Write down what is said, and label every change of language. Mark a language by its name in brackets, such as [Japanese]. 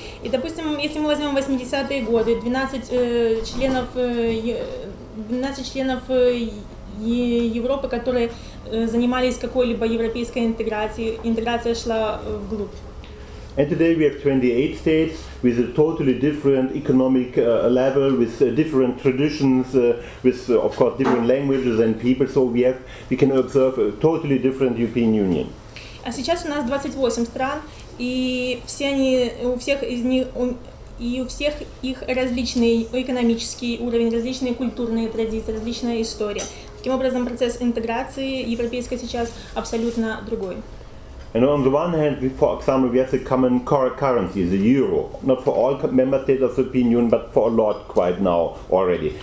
[Russian] И, допустим, если мы возьмем 80-е годы, 12 членов Европы, которые занимались какой-либо европейской интеграцией, интеграция шла вглубь. [English] And today we have 28 states with a totally different economic level, with different traditions, with of course different languages and people, so we can observe a totally different European Union. [Russian] А сейчас у нас 28 стран, и все они, у всех из них, и у всех их различный экономический уровень, различные культурные традиции, различная история. Таким образом, процесс интеграции европейской сейчас абсолютно другой. [English] And on the one hand, for example, we have a common core currency, the euro. Not for all member states of the European Union, but for a lot quite now already.